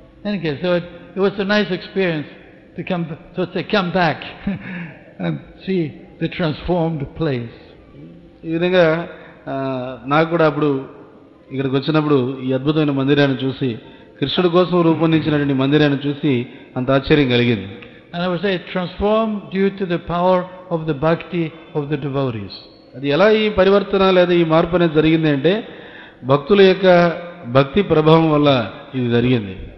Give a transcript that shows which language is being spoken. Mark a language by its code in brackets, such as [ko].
[en] Anyway, so it was a nice experience to come back and see the transformed place. [te] ఈ విధంగా నాకు కూడా అప్పుడు ఇక్కడికి వచ్చినప్పుడు ఈ అద్భుతమైన మందిరాన్ని చూసి, కృష్ణుడి కోసం రూపొందించినటువంటి మందిరాన్ని చూసి అంత ఆశ్చర్యం కలిగింది. [en] And I would say it transformed due to the power of the bhakti of the devotees. [te] అది ఎలా ఈ పరివర్తన లేదా ఈ మార్పు అనేది జరిగింది అంటే భక్తుల యొక్క భక్తి ప్రభావం వల్ల ఇది జరిగింది.